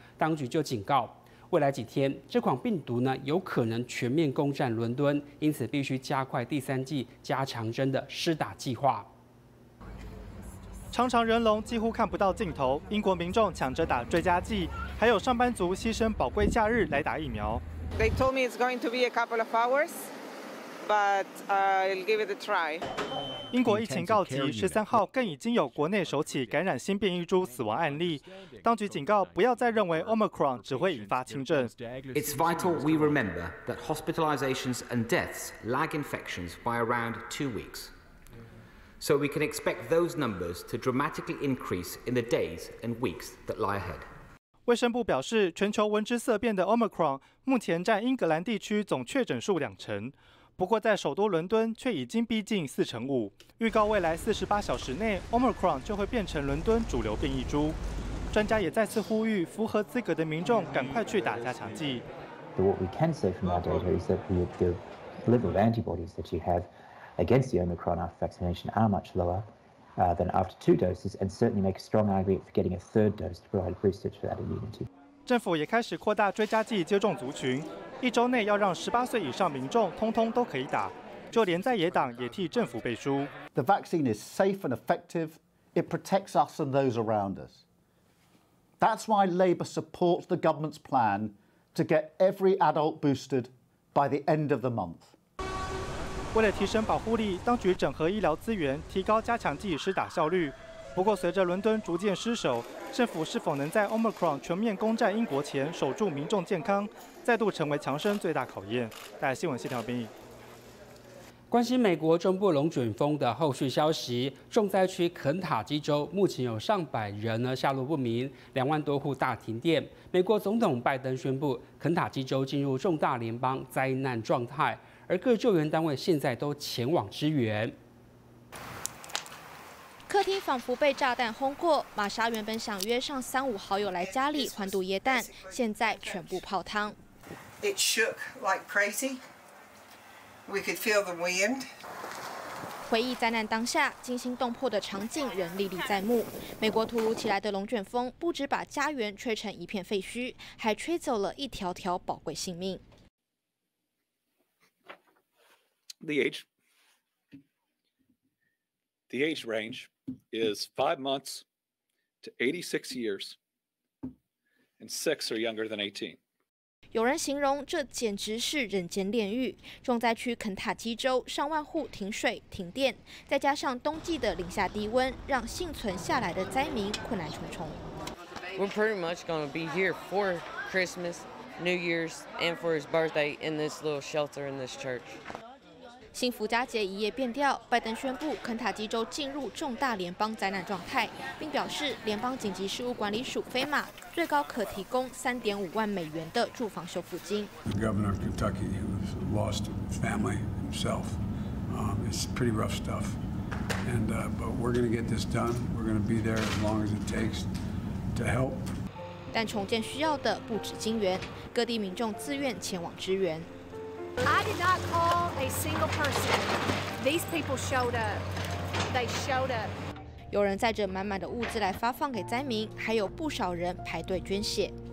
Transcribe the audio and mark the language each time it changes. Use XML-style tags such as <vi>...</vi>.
<zh>当局就警告，未来几天这款病毒呢有可能全面攻占伦敦，因此必须加快第三剂加强针的施打计划。长长人龙几乎看不到尽头，英国民众抢着打追加剂，还有上班族牺牲宝贵假日来打疫苗。</zh> <en>They told me it's going to be a couple of hours, but I'll give it a try.</en> <zh>英国疫情告急，13号更已经有国内首起感染新变异株死亡案例。当局警告，不要再认为 Omicron 只会引发轻症。</zh> <en>It's vital we remember that hospitalizations and deaths lag infections by around 2 weeks. So we can expect those numbers to dramatically increase in the days and weeks that lie ahead.</en> <zh>卫生部表示，全球闻之色变的 Omicron 目前占英格兰地区总确诊数20%，不过在首都伦敦却已经逼近45%。预告未来48小时内 ，Omicron 就会变成伦敦主流变异株。专家也再次呼吁符合资格的民众赶快去打加强剂。</zh> <en>But what we can say from our data is that the level of antibodies that you have. Against the Omicron after vaccination are much lower than after 2 doses, and certainly make a strong argument for getting a third dose to provide boosters for that immunity.</en> <zh>政府也开始扩大追加剂接种族群，一周内要让18岁以上民众通通都可以打。就连在野党也替政府背书。</zh> <en>The vaccine is safe and effective. It protects us and those around us. That's why Labor supports the government's plan to get every adult boosted by the end of the month.</en> <zh>为了提升保护力，当局整合医疗资源，提高加强剂施打效率。不过，随着伦敦逐渐失守，政府是否能在 Omicron 全面攻占英国前守住民众健康，再度成为强生最大考验。带来新闻谢条斌。关心美国中部龙卷风的后续消息，重灾区肯塔基州目前有上百人呢下落不明，20000多户大停电。美国总统拜登宣布，肯塔基州进入重大联邦灾难状态。而各救援单位现在都前往支援。客厅仿佛被炸弹轰过，玛莎原本想约上3-5好友来家里欢度耶诞，现在全部泡汤。</zh> <en>It shook like crazy. We could feel the wind.</en> <zh>回忆灾难当下惊心动魄的场景仍历历在目。美国突如其来的龙卷风不止把家园吹成一片废墟，还吹走了一条条宝贵性命。</zh> <en>The age range is 5 months to 86 years, and 6 are younger than 18.</en> <zh>有人形容这简直是人间炼狱。重灾区肯塔基州上万户停水停电，再加上冬季的零下低温，让幸存下来的灾民困难重重。</zh> <en>We're pretty much going to be here for Christmas, New Year's, and for his birthday in this little shelter in this church.</en> <zh>幸福佳节一夜变调，拜登宣布肯塔基州进入重大联邦灾难状态，并表示联邦紧急事务管理署FEMA最高可提供$350,000的住房修复金。</zh> <en>The governor of Kentucky who's lost family himself, it's pretty rough stuff. And but we're going to get this done. We're going to be there as long as it takes to help.</en> <zh>但重建需要的不止金元，各地民众自愿前往支援。</zh> <en>I did not call a single person. These people showed up. They showed up.</en> <zh>有人载着满满的物资来发放给灾民，还有不少人排队捐血。</zh>